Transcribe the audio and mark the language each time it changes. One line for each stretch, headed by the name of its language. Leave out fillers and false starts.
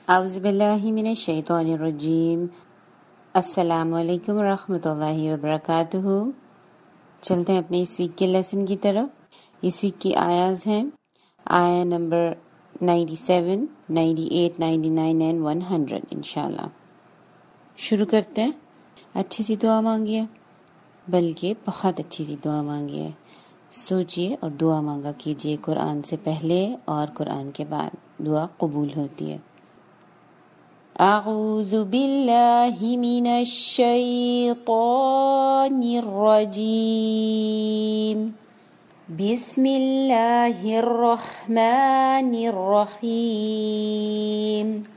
Arabic: أعوذ بالله من الشيطان الرجيم. السلام علیکم ورحمۃ اللہ وبرکاتہ.
Urdu: چلتے ہیں اپنے اس ویک کے لیسن کی طرف. اس ویک کی آیاز ہیں آیا نمبر 97, 98, 99 and 100. انشاءاللہ شروع کرتے ہیں. اچھی سی دعا مانگیے, بلکہ بہت اچھی سی دعا مانگیے. سوچئے اور دعا مانگا کیجئے قرآن سے پہلے اور قرآن کے بعد, دعا قبول ہوتی ہے.
Arabic: أعوذ بالله من الشيطان الرجيم. بسم الله الرحمن الرحيم.